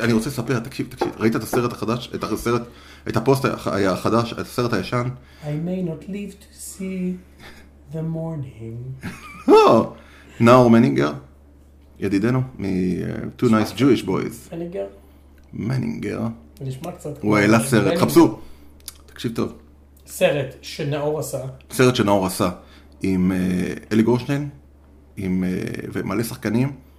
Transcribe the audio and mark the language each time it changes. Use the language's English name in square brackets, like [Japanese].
[Hebrew] אני רוצה לספר, תקשיב, ראית את הסרט החדש? את הסרט, את הפוסט החדש, את הסרט הישן? [English] I may not live to see the morning. [Hebrew] נאור מנינגר, ידידנו, מ-Two Nice Jewish Boys. מנינגר? מנינגר. נשמע קצת. הוא העלה סרט, חפשו. תקשיב טוב. סרט שנאור עשה. סרט שנאור עשה. עם אלי גורשטיין. עם, ומלא שחקנים.